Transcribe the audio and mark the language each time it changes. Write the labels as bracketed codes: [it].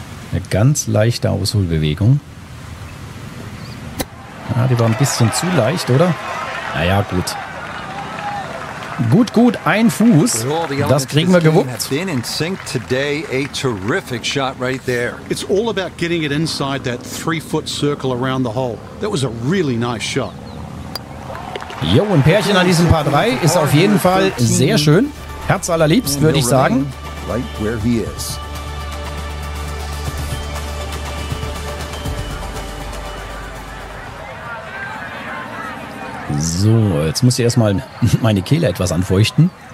[de] Eine ganz leichte Ausholbewegung. Ah, die war ein bisschen zu leicht, oder? Naja, gut. Gut, ein Fuß. Das kriegen wir gewuppt. [en] Right, it's all about getting it inside that 3-foot circle around the hole. That was a really nice shot. [de] Jo, ein Pärchen an diesem Par 3 ist auf jeden Fall sehr schön. Herzallerliebst, würde ich sagen. [en] Right where he is. [de] So, jetzt muss ich erstmal meine Kehle etwas anfeuchten.